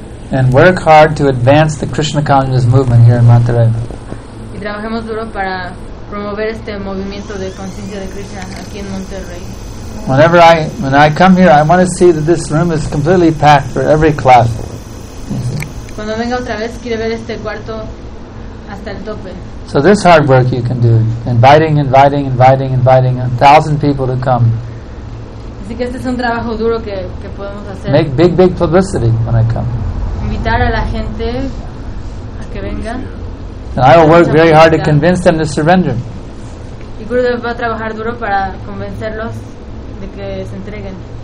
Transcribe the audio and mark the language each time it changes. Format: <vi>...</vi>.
<en>And work hard to advance the Krishna consciousness movement here in Monterrey.</en> <es>Y trabajemos duro para promover este movimiento de conciencia de Krishna aquí en Monterrey.</es> <en>Whenever I come here, I want to see that this room is completely packed for every class.</en> <es>Cuando venga otra vez, quiero ver este cuarto hasta el tope.</es> <en>So this hard work you can do, inviting 1,000 people to come.</en> <es>Así que este es un trabajo duro que podemos hacer.</es> <en>Make big publicity when I come.</en> <es>Invitar a la gente a que venga.</es> <en>And I will work very hard to convince them to surrender.</en> <es>Y Gurudev va a trabajar duro para convencerlos de que se entreguen.</es>